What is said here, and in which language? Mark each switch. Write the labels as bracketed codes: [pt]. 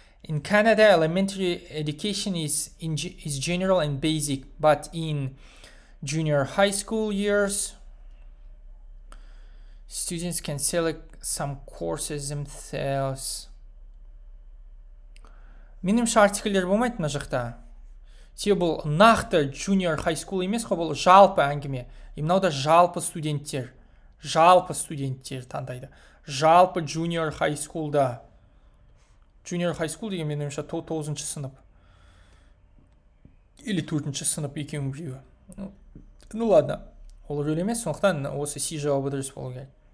[en] In Canada, elementary education is general and basic, but in junior high school years, students can select some courses themselves. [kk] Менімше артикльдер болмайды мына жақта. Себебі бұл нақты junior high school емес, бұл жалпы әңгіме. Мынау да жалпы студенттер. Жалпы студенттер таңдайды. Жалпы junior high school-да. Junior high school деген менімше 9-шы сынып. Или 4-шы сынып екеуі біреуі. [ru] Ну ладно. [kk] Ол рөл емес, сондықтан осы C жауабы дұрыс болу керек.